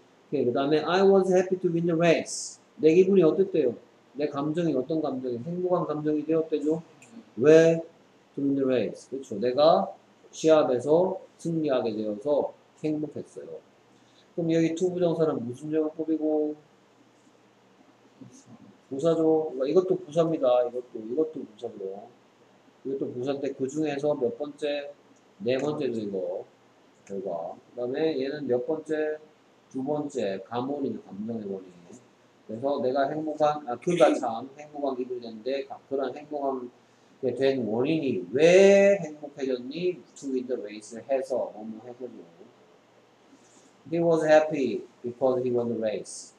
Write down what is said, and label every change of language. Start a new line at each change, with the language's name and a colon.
Korean: 그 다음에
English: I was happy to win the race.
Korean: 내 기분이 어땠대요? 내 감정이 어떤 감정이? 행복한 감정이 되었대죠? 왜?
English: To win the race.
Korean: 그렇죠. 내가 시합에서 승리하게 되어서 행복했어요. 그럼 여기 to 부정사는 무슨 용법이고 부사죠. 이것도 부사입니다. 이것도 부사죠. 이것도 부사인데 그 중에서 몇 번째? 네 번째죠 이거. 결과. 그 다음에 얘는 몇 번째? 두 번째. 감원이죠. 감정의 원인. 그래서 내가 행복한, 아, 그가 참 행복한 기분이 됐는데 그런 행복한 그게 된 원인이 왜 행복해졌니?
English: To win the race를
Korean: 해서 뭐뭐 해서죠.
English: He was happy because he won the race.